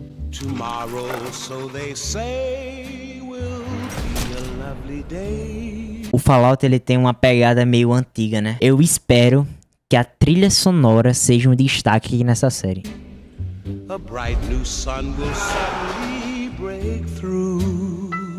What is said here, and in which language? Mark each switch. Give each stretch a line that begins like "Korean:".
English: Tomorrow, so they say, will be a lovely day.
Portuguese: O Fallout, ele tem uma pegada meio antiga, né? Eu espero que a trilha sonora seja um destaque aqui nessa série.
English: A bright new sun will suddenly breakthrough.